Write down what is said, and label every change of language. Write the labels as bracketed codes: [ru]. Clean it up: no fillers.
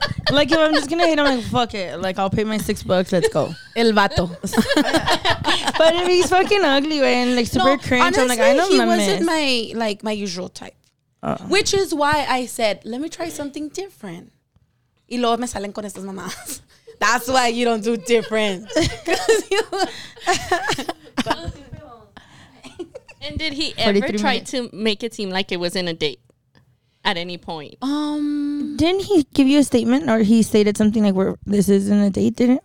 [en] Like, if I'm just gonna hit him, like fuck it. Like, I'll pay my $6. Let's go. [es] El vato. [en] But if he's fucking ugly and like super cringe, honestly, I'm like, I don't know. He wasn't My like my usual type, which is why I said let me try something different. [es] Y luego me salen con estas mamás. [en] That's why you don't do different. And did he ever try to make it seem like it wasn't a date? at any point. Didn't he give you a statement, or he stated something like, "We're this isn't a date," didn't?